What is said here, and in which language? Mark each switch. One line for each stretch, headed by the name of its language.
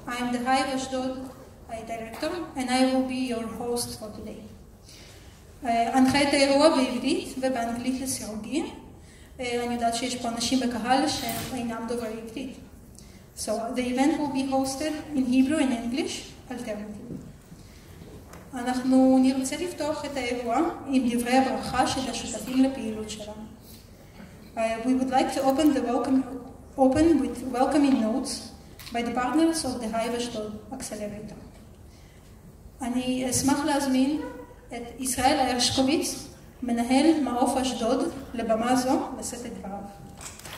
English: I am the Hive Ashdod director, and I will be your host for today.
Hebrew: אנחה את האירוע בעברית ובאנגלית לסירוגין. אני יודעת שיש פה אנשים בקהל שאינם דוברי עברית.
English: So the event will be hosted in Hebrew and English alternatively.
Hebrew: אנחנו נרצה לפתוח את האירוע עם דברי הברכה של השותפים לפעילות שלנו.
English: We would like to open the open with welcoming notes by the partners of the Hive Ashdod Accelerator.
Hebrew: אני אשמח להזמין את ישראל הרשקוביץ, מנהל מעוף אשדוד, לבמה זו, לשאת את דבריו.